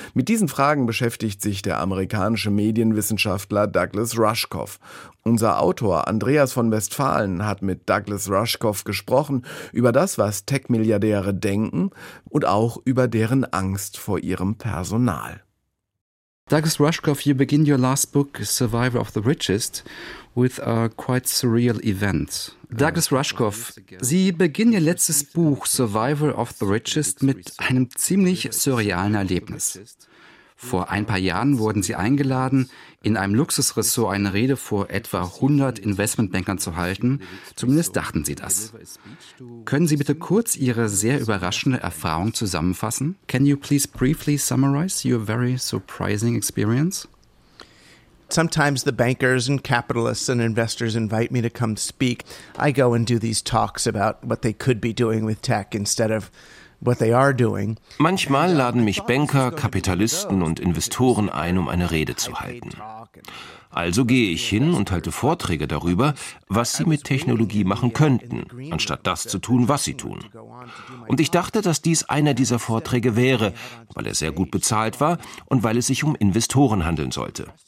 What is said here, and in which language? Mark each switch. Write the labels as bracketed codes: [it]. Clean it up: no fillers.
[de] Mit diesen Fragen beschäftigt sich der amerikanische Medienwissenschaftler Douglas Rushkoff. Unser Autor Andreas von Westphalen hat mit Douglas Rushkoff gesprochen über das, was Tech-Milliardäre denken und auch über deren Angst vor ihrem Personal. [en] Douglas Rushkoff, you begin your last book, Survivor of the Richest, with a quite surreal event. [de] Douglas Rushkoff, Sie beginnen Ihr letztes Buch, Survivor of the Richest, mit einem ziemlich surrealen Erlebnis. Vor ein paar Jahren wurden Sie eingeladen, in einem Luxusressort eine Rede vor etwa 100 Investmentbankern zu halten. Zumindest dachten Sie das. Können Sie bitte kurz Ihre sehr überraschende Erfahrung zusammenfassen? [en] Can you please briefly summarize your very surprising experience? Sometimes the bankers and capitalists and investors invite me to come speak. I go and do these talks about what they could be doing with tech instead of what they are doing. [de] Manchmal laden mich Banker, Kapitalisten und Investoren ein, um eine Rede zu halten. Also gehe ich hin und halte Vorträge darüber, was sie mit Technologie machen könnten, anstatt das zu tun, was sie tun. Und ich dachte, dass dies einer dieser Vorträge wäre, weil er sehr gut bezahlt war und weil es sich um Investoren handeln sollte.